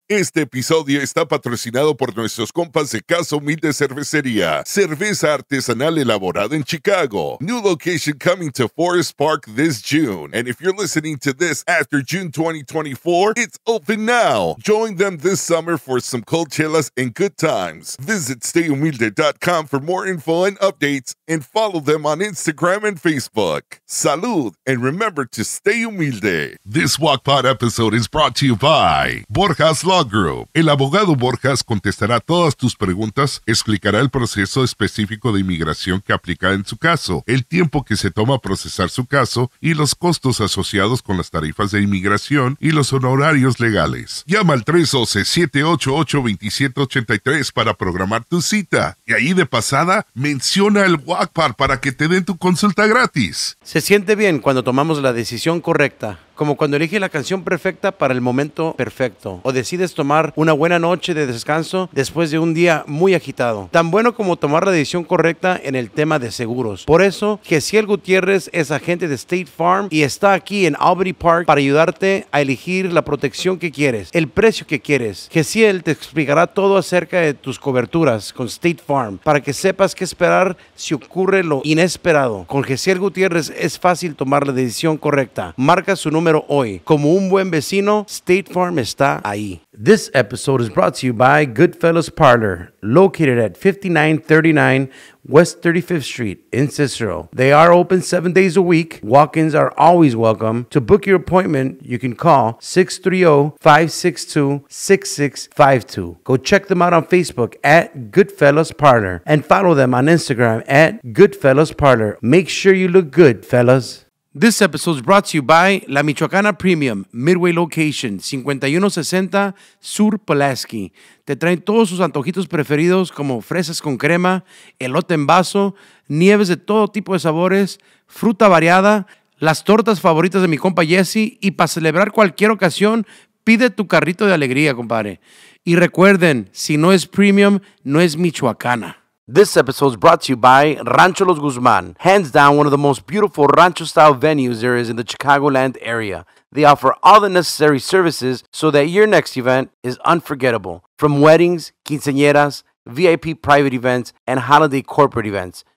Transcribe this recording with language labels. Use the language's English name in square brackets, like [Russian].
[Spanish] Este episodio está patrocinado por nuestros compas de Casa Humilde Cervecería, cerveza artesanal elaborada en Chicago. [English] New location coming to Forest Park this June. And if you're listening to this after June 2024, it's open now. Join them this summer for some cold chelas and good times. Visit stayhumilde.com for more info and updates and follow them on Instagram and Facebook. [Spanish] Salud, [English] and remember to stay humilde. This Walk Pod episode is brought to you by Borja's Law Group. [Spanish] El abogado Borjas contestará todas tus preguntas, explicará el proceso específico de inmigración que aplica en su caso, el tiempo que se toma procesar su caso y los costos asociados con las tarifas de inmigración y los honorarios legales. Llama al 312-788-2783 para programar tu cita. Y ahí de pasada, menciona el WACPAR para que te den tu consulta gratis. Se siente bien cuando tomamos la decisión correcta. Como cuando eliges la canción perfecta para el momento perfecto, o decides tomar una buena noche de descanso después de un día muy agitado. Tan bueno como tomar la decisión correcta en el tema de seguros. Por eso, Gesiel Gutiérrez es agente de State Farm y está aquí en Albany Park para ayudarte a elegir la protección que quieres, el precio que quieres. Gesiel te explicará todo acerca de tus coberturas con State Farm para que sepas qué esperar si ocurre lo inesperado. Con Gesiel Gutiérrez es fácil tomar la decisión correcta. Marca su número hoy. Como un buen vecino, State Farm está ahí. [English] This episode is brought to you by Goodfellas Parlor, located at 5939 West 35th Street in Cicero. They are open 7 days a week. Walk-ins are always welcome. To book your appointment, you can call 630-562-6652. Go check them out on Facebook at Goodfellas Parlor and follow them on Instagram at Goodfellas Parlor. Make sure you look good, fellas. This episode is brought to you by La Michoacana Premium, Midway Location, 5160 Sur Pulaski. [Spanish] Te traen todos sus antojitos preferidos como fresas con crema, elote en vaso, nieves de todo tipo de sabores, fruta variada, las tortas favoritas de mi compa Jesse, y para celebrar cualquier ocasión, pide tu carrito de alegría, compadre. Y recuerden, si no es premium, no es Michoacana. [English] This episode is brought to you by Rancho Los Guzmán. Hands down, one of the most beautiful rancho-style venues there is in the Chicagoland area. They offer all the necessary services so that your next event is unforgettable. From weddings, quinceañeras, VIP private events, and holiday corporate events.